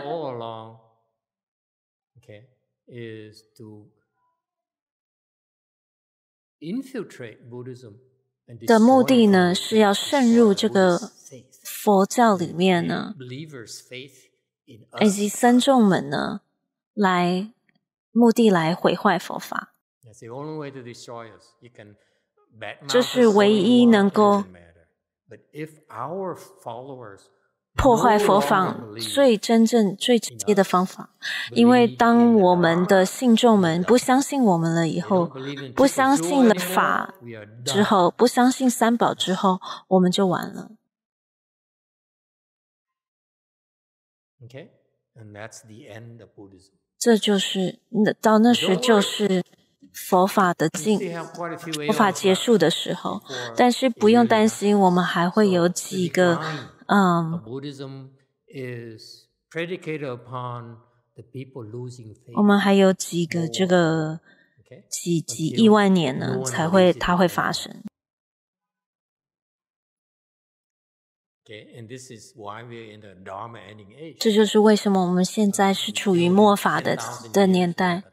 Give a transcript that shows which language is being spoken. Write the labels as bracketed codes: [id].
[en] all along, okay, is to infiltrate Buddhism and destroy [zh] 的目的呢是要渗入这个佛教里面呢 [en] believers faith in us, [zh] 以及僧众们呢来目的来毁坏佛法 [en] That's the only way to destroy us. You can [zh] 这是唯一能够 [en] But if our followers [zh] 破坏佛法最真正最直接的方法因为当我们的信众们不相信我们了以后不相信了法之后不相信三宝之后我们就完了 [en] Okay, and that's the end of Buddhism. [zh] 这就是到那时就是佛法的进佛法结束的时候但是不用担心我们还会有几个 [en] Buddhism is predicated upon the people losing faith [zh] 我们还有几个这个几亿万年呢才会它会发生 [en] okay, and this is why we're in the Dharma ending age. [zh] 这就是为什么我们现在是处于末法 的年代